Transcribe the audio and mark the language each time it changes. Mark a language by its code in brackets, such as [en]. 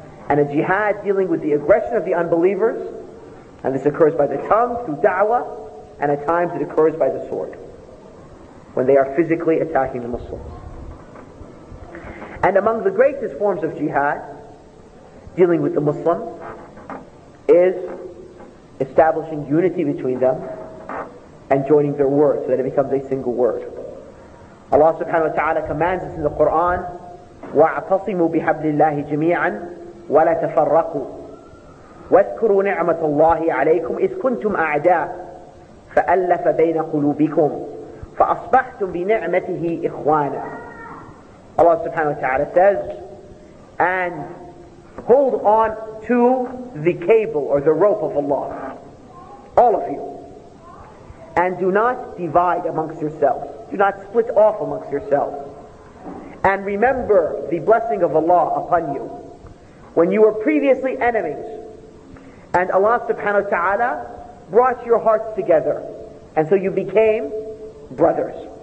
[en] And a jihad dealing with the aggression of the unbelievers, and this occurs by the tongue, through da'wah, and at times it occurs by the sword, when they are physically attacking the Muslims. And among the greatest forms of jihad dealing with the Muslim is establishing unity between them and joining their word so that it becomes a single word. Allah subhanahu wa ta'ala commands us in the Quran, [ar] وَاعْتَصِمُوا بِحَبْلِ اللَّهِ جَمِيعًا وَلَا تَفَرَّقُوا وَاذْكُرُوا نِعْمَةَ اللَّهِ عَلَيْكُمْ إِذْ كُنْتُمْ أَعْدَاءً فَأَلَّفَ بَيْنَ قُلُوبِكُمْ فَأَصْبَحْتُمْ بِنِعْمَتِهِ إِخْوَانًا. [en] Allah subhanahu wa ta'ala says, and hold on to the cable or the rope of Allah, all of you, and do not divide amongst yourselves, do not split off amongst yourselves, and remember the blessing of Allah upon you when you were previously enemies and Allah subhanahu wa ta'ala brought your hearts together and so you became brothers.